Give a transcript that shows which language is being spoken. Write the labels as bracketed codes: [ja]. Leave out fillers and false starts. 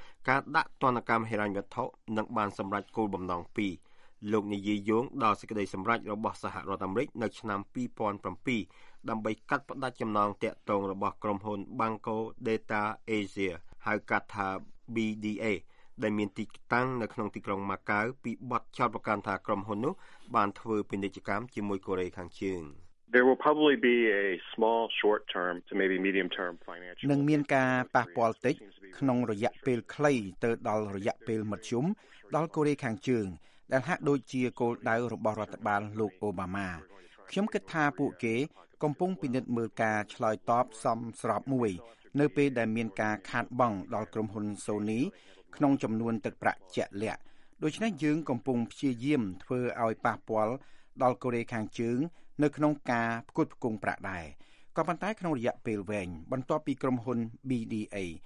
[km] ការដាក់ទណ្ឌកម្មហិរញ្ញវត្ថុនឹងបានសម្រេចគោលបំណង2លោកនិយាយយោងដល់សេចក្តីសម្រេចរបស់សហរដ្ឋអាមេរិកនៅឆ្នាំ2007ដើម្បីកាត់ផ្តាច់ចំណងទាក់ទងរបស់ក្រុមហ៊ុន Banco Data Asia ហៅកាត់ថា BDA ដែលមានទីតាំងនៅក្នុងទីក្រុងម៉ាកាវពីបទចោទប្រកាន់ថាក្រុមហ៊ុននោះបានធ្វើពាណិជ្ជកម្មជាមួយកូរ៉េខាងជើង [en] There will probably be a small short-term to maybe medium-term financial. [km] នឹងមានការប៉ះពាល់តិចក្នុងរយៈពេលខ្លីទៅដល់រយៈពេលមធ្យមដល់កូរ៉េខាងជើងដែលហាក់ដូចជាគោលដៅរបស់រដ្ឋបាលលោកអូបាម៉ា ខ្ញុំគិតថាពួកគេកំពុងពិនិត្យមើលការឆ្លើយតបសមស្របមួយនៅពេលដែលមានការខាតបង់ដល់ក្រុមហ៊ុន Sony ក្នុងចំនួនទឹកប្រាក់ជាក់លាក់ដូច្នេះយើងកំពុងព្យាយាមធ្វើឲ្យប៉ះពាល់ដល់កូរ៉េខាងជើងនៅក្នុងការផ្គត់ផ្គង់ប្រាក់ដែរក៏ប៉ុន្តែក្នុងរយៈពេលវែងបន្ទាប់ពីក្រុមហ៊ុន BDA